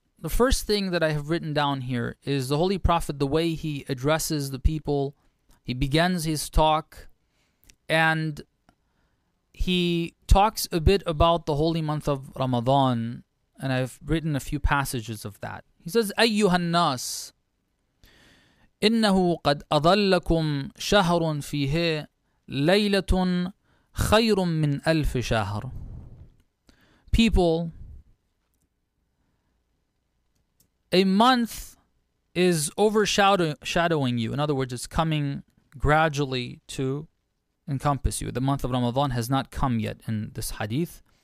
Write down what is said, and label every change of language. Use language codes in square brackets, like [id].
[en] The first thing that I have written down here is the Holy Prophet, the way he addresses the people, he begins his talk, and he talks a bit about the holy month of Ramadan, and I've written a few passages of that. He says, [ar] أَيُّهَا النَّاسِ إِنَّهُ قَدْ أَضَلَّكُمْ شَهْرٌ فِيهِ ليلة خير من ألف شهر. [en] People, a month is overshadowing you. In other words, it's coming gradually to encompass you. The month of Ramadan has not come yet in this hadith.